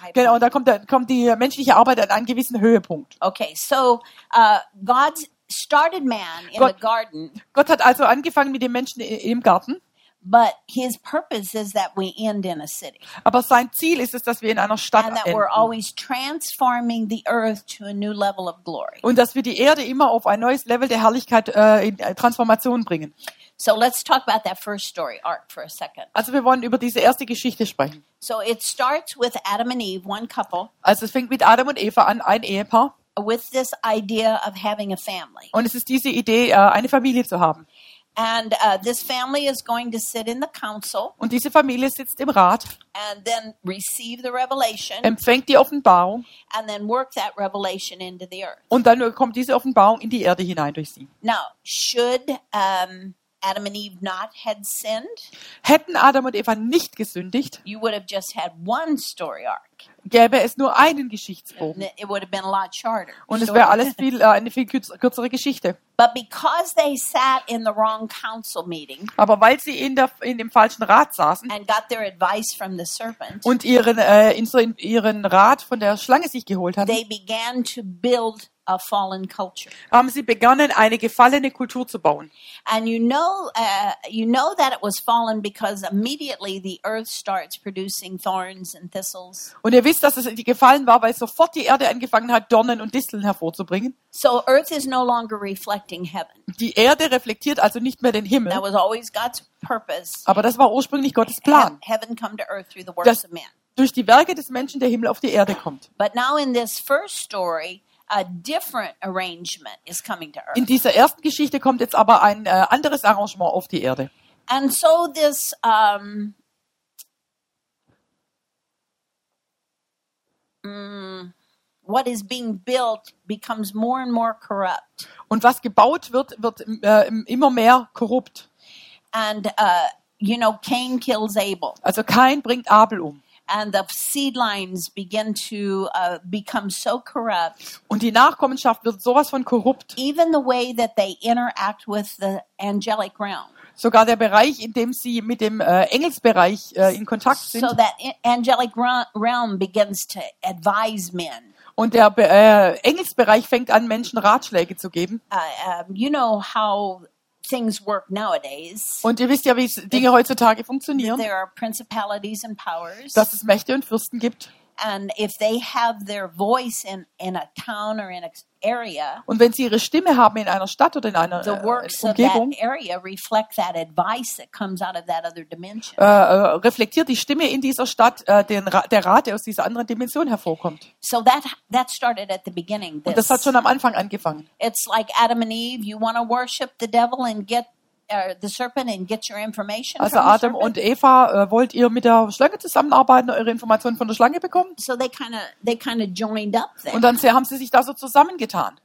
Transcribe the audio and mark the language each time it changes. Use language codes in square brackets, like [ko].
[de] Genau, und da kommt die menschliche Arbeit an einen gewissen Höhepunkt. [en] Okay, so God started man in the garden. [de] Gott hat also angefangen mit dem Menschen im Garten. [en] But his purpose is that we end in a city. [de] Aber sein Ziel ist es, dass wir in einer Stadt enden. [en] And that we're always transforming the earth to a new level of glory. [de] Und dass wir die Erde immer auf ein neues Level der Herrlichkeit in Transformation bringen. [en] So let's talk about that first story arc for a second. [de] Also wir wollen über diese erste Geschichte sprechen. [en] So it starts with Adam and Eve, one couple. [de] Also es fängt mit Adam und Eva an, ein Ehepaar. [en] With this idea of having a family. [de] Und es ist diese Idee, eine Familie zu haben. [en] And this family is going to sit in the council. [de] Und diese Familie sitzt im Rat. [en] And then receive the revelation. [de] Empfängt die Offenbarung. [en] And then work that revelation into the earth. [de] Und dann kommt diese Offenbarung in die Erde hinein durch sie. [en] Now, should Adam and Eve not had sinned? [de] Hätten Adam und Eva nicht gesündigt? [en] You would have just had one story arc. [de] Gäbe es nur einen Geschichtsbogen. [en] It would have been a lot shorter. [de] Und es wäre alles viel eine viel kürzere Geschichte. [en] But because they sat in the wrong council meeting. [de] Aber weil sie in dem falschen Rat saßen. [en] And got their advice from the serpent. [de] Und ihren Rat von der Schlange sich geholt hatten. [en] They began to build a fallen culture. [de] Haben sie begonnen, eine gefallene Kultur zu bauen. [en] And you know that it was fallen because immediately the earth starts producing thorns and thistles. [de] Und ihr wisst, dass es gefallen war, weil sofort die Erde angefangen hat, Dornen und Disteln hervorzubringen. [en] So earth is no longer reflecting heaven. [de] Die Erde reflektiert also nicht mehr den Himmel. [en] That was always God's purpose. [de] Aber das war ursprünglich Gottes Plan. [en] Heaven come to earth through the works of man. [de] Durch die Werke des Menschen der Himmel auf die Erde kommt. [en] But now in this first story, a different arrangement is coming to earth. [de] In dieser ersten Geschichte kommt jetzt aber ein anderes Arrangement auf die Erde. [en] And so this what is being built becomes more and more corrupt. [de] Und was gebaut wird, wird immer mehr korrupt. [en] And you know, Cain kills Abel. [de] Also Cain bringt Abel um. [en] And the seed lines begin to become so corrupt. [de] Und die Nachkommenschaft wird sowas von korrupt. [en] Even the way that they interact with the angelic realm. [de] Sogar der Bereich, in dem sie mit dem Engelsbereich in Kontakt sind. [en] So that angelic realm begins to advise men. [de] Und der Engelsbereich fängt an, Menschen Ratschläge zu geben. [en] You know how things work nowadays. [de] Und ihr wisst ja, wie Dinge heutzutage funktionieren. [en] There are principalities and powers. [de] Dass es Mächte und Fürsten gibt. [en] And if they have their voice in a town or in a area. [de] Und wenn sie ihre Stimme haben in einer Stadt oder in einer [en] the works [de] Umgebung, [en] of that area reflect that advice that comes out of that other dimension. [de] Reflektiert die Stimme in dieser Stadt der Rat, der aus dieser anderen Dimension hervorkommt. [en] So that started at the beginning. [de] Und das hat schon am Anfang angefangen. [en] It's like Adam and Eve, you want to worship the devil and get the serpent and get your information. [de] Also Adam und Eva, wollt ihr mit der Schlange zusammenarbeiten, eure Informationen von der Schlange bekommen? [en] So they kind of joined up then. [de] Und dann haben sie sich da so zusammengetan.